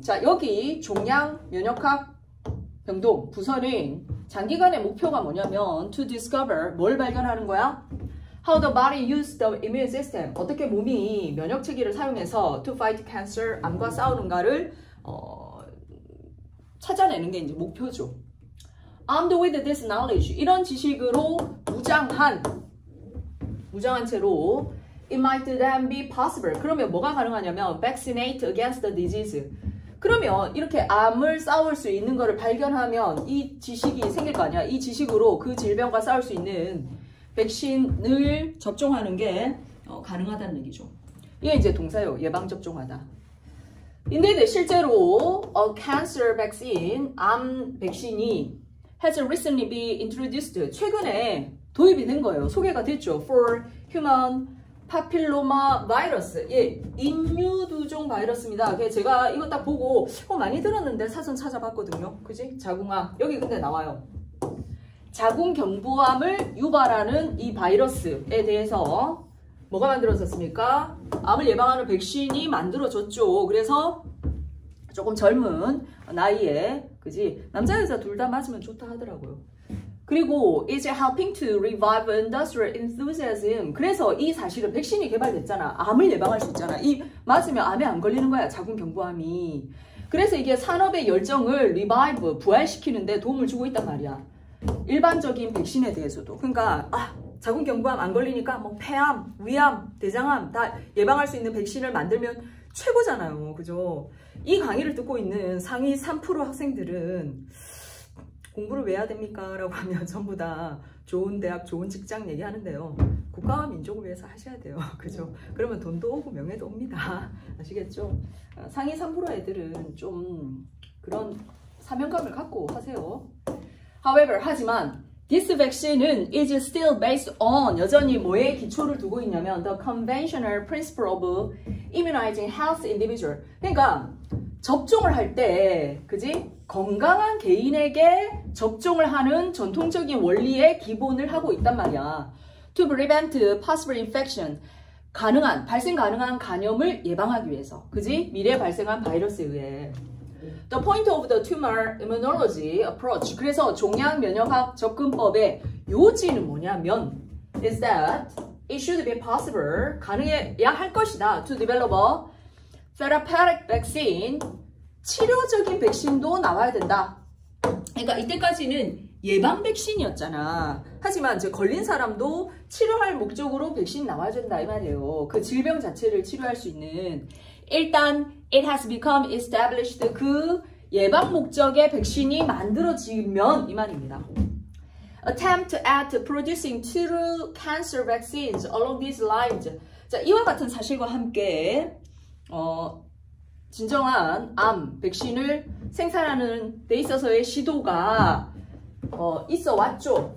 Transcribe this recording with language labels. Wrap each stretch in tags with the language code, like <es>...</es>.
<ko>자, 여기 종양 면역학 병동 부서는 장기간의 목표가 뭐냐면</ko> <en>to discover</en> <ko>뭘 발견하는 거야?</ko> <en>How the body uses the immune system?</en> <ko>어떻게 몸이 면역 체계를 사용해서</ko> <en>to fight cancer</en> <ko>암과 싸우는가를 찾아내는 게 이제 목표죠.</ko> <en>Armed with this knowledge,</en> <ko>이런 지식으로 무장한 채로</ko> <en>it might then be possible.</en> <ko>그러면 뭐가 가능하냐면</ko> <en>vaccinate against the disease.</en> <ko>그러면 이렇게 암을 싸울 수 있는 것을 발견하면 이 지식이 생길 거 아니야. 이 지식으로 그 질병과 싸울 수 있는 백신을 접종하는 게 가능하다는 얘기죠. 이게 이제 동사요. 예방 접종하다. 근데 실제로</ko> <en>a cancer vaccine,</en> <ko>암 백신이</ko> <en>has recently been introduced,</en> <ko>최근에 도입이 된 거예요. 소개가 됐죠.</ko> <en>For human papilloma virus,</en> <ko>예, 인유두종 바이러스입니다. 제가 이거 딱 보고 많이 들었는데 사전 찾아봤거든요. 그지? 자궁암. 여기 근데 나와요. 자궁경부암을 유발하는 이 바이러스에 대해서 뭐가 만들어졌습니까? 암을 예방하는 백신이 만들어졌죠. 그래서 조금 젊은 나이에, 그지? 남자, 여자 둘 다 맞으면 좋다 하더라고요.</ko> <en>그리고 it's helping to revive industrial enthusiasm.</en> <ko>그래서 이 사실은 백신이 개발됐잖아. 암을 예방할 수 있잖아. 이 맞으면 암에 안 걸리는 거야. 자궁경부암이. 그래서 이게 산업의 열정을 revive, 부활시키는데 도움을 주고 있단 말이야. 일반적인 백신에 대해서도. 그러니까, 자궁경부암 안 걸리니까 뭐 폐암, 위암, 대장암 다 예방할 수 있는 백신을 만들면 최고잖아요. 그죠? 이 강의를 듣고 있는 상위 3% 학생들은 공부를 왜 해야 됩니까? 라고 하면 전부 다 좋은 대학, 좋은 직장 얘기하는데요. 국가와 민족을 위해서 하셔야 돼요. 그죠? 그러면 돈도 오고 명예도 옵니다. 아시겠죠? 상위 3% 애들은 좀 그런 사명감을 갖고 하세요.</ko> <en>However,</en> <ko>하지만</ko> <en>this vaccine은 is still based on</en> <ko>여전히 뭐에 기초를 두고 있냐면</ko> <en>the conventional principle of immunizing health individual.</en> <ko>그러니까 접종을 할 때, 그지? 건강한 개인에게 접종을 하는 전통적인 원리의 기본을 하고 있단 말이야.</ko> <en>To prevent possible infection.</en> <ko>발생 가능한 감염을 예방하기 위해서. 그지? 미래에 발생한 바이러스에 의해.</ko> <en>The point of the tumor immunology approach.</en> <ko>그래서 종양 면역학 접근법의 요지는 뭐냐면</ko> <en>is that it should be possible</en> <ko>가능해야 할 것이다</ko> <en>to develop a therapeutic vaccine</en> <ko>치료적인 백신도 나와야 된다. 그러니까 이때까지는 예방 백신이었잖아. 하지만 이제 걸린 사람도 치료할 목적으로 백신 나와야 된다 이 말이에요. 그 질병 자체를 치료할 수 있는 일단</ko> <en>it has become established</en> <ko>그 예방 목적의 백신이 만들어지면 이 말입니다.</ko> <en>Attempt at producing true cancer vaccines along these lines.</en> <ko>자, 이와 같은 사실과 함께 진정한 암 백신을 생산하는 데 있어서의 시도가 있어 왔죠.</ko>